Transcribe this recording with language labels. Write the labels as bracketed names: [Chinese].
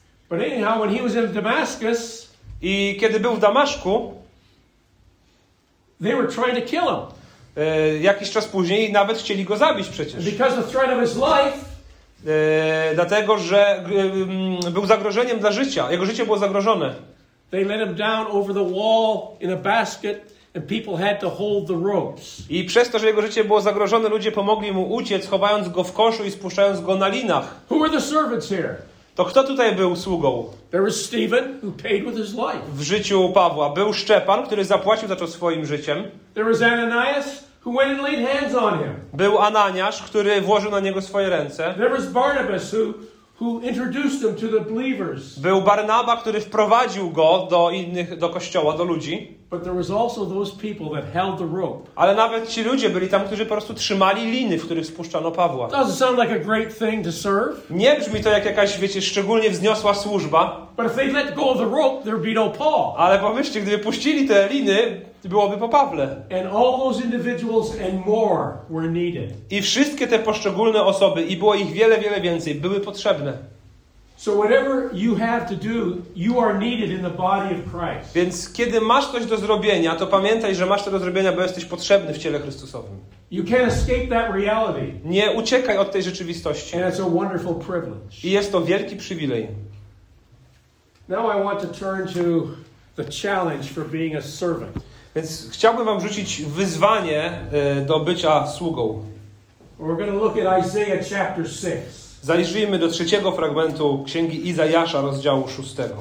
[English] But anyhow, when he was in Damascus, [Polish] i kiedy był w Damaszku, [English] they were trying to kill him. [Polish] Jakiś czas później nawet chcieli go zabić przecież. [English] Because of the threat of his life, [Polish] dlatego, że był zagrożeniem dla życia. Jego życie było zagrożone. [English] They let him down over the wall in a basket. And people had to hold the ropes. [Polish] I przez to, że jego życie było zagrożone, ludzie pomogli mu uciec, chowając go w koszu i spuszczając go na linach. [English] Who were the servants here? [Polish] To kto tutaj był sługą? [English] There was Stephen, who paid with his life. [Polish] W życiu Pawła był Szczepan, który zapłacił za to swoim życiem. [English] There was Ananias, who went and laid hands on him. [Polish] Był Ananiasz, który włożył na niego swoje ręce. [English] There was Barnabas, who introduced him to the believers. [Polish] Był Barnaba, który wprowadził go do innych, do kościoła, do ludzi. [English] But there was also those people that held the rope. [Polish] Ale nawet ci ludzie byli tam, którzy po prostu trzymali liny, w których spuszczano Pawła. [English] Doesn't sound like a great thing to serve. [Polish] Nie brzmi to jak jakaś, wiecie, szczególnie wzniosła służba. [English] But if they let go of the rope, there'd be no Paul. [Polish] Ale pomyślcie, gdyby puścili te liny, byłoby po Pawle. [English] And all those individuals and more were needed. [Polish] I wszystkie te poszczególne osoby, i było ich wiele, wiele więcej, były potrzebne. [English] So whatever you have to do, you are needed in the body of Christ. [Polish] Więc kiedy masz coś do zrobienia, to pamiętaj, że masz to do zrobienia, bo jesteś potrzebny w ciele Chrystusowym. [English] You can't escape that reality. [Polish] Nie uciekaj od tej rzeczywistości. [English] And it's a wonderful privilege. [Polish] I jest to wielki przywilej. [English] Now I want to turn to the challenge for being a servant. [Polish] Więc chciałbym wam rzucić wyzwanie do bycia sługą. [English] We're going to look at Isaiah chapter 6. [Polish] Zajrzyjmy do trzeciego fragmentu Księgi Izajasza, rozdziału 6.